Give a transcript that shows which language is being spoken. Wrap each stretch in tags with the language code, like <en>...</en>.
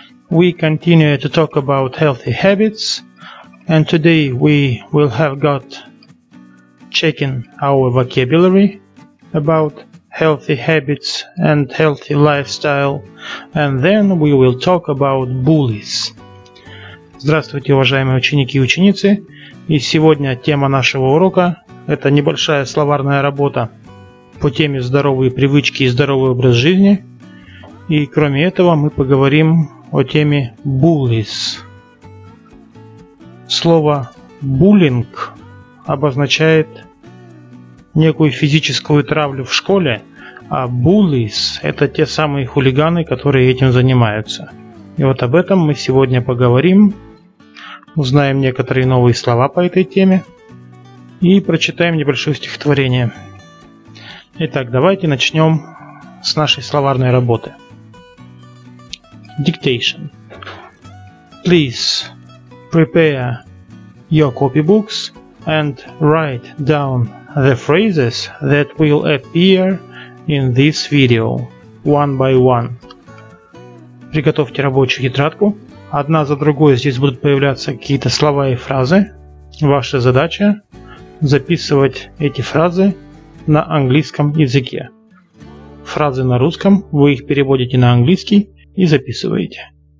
<en>We continue to talk about healthy habits, and today we will have got checking our vocabulary about healthy habits and healthy lifestyle, and then we will talk about bullies.</en> <ru>Здравствуйте, уважаемые ученики и ученицы. И сегодня тема нашего урока – это небольшая словарная работа по теме «Здоровые привычки и здоровый образ жизни». И кроме этого мы поговорим о теме «bullies». Слово «bullying» обозначает некую физическую травлю в школе, а «bullies» – это те самые хулиганы, которые этим занимаются. И вот об этом мы сегодня поговорим. Узнаем некоторые новые слова по этой теме и прочитаем небольшое стихотворение. Итак, давайте начнем с нашей словарной работы.</ru> <en>Dictation. Please prepare your copybooks and write down the phrases that will appear in this video one by one.</en> <ru>Приготовьте рабочую тетрадку. Одна за другой здесь будут появляться какие-то слова и фразы. Ваша задача – записывать эти фразы на английском языке. Фразы на русском, вы их переводите на английский и записываете.</ru>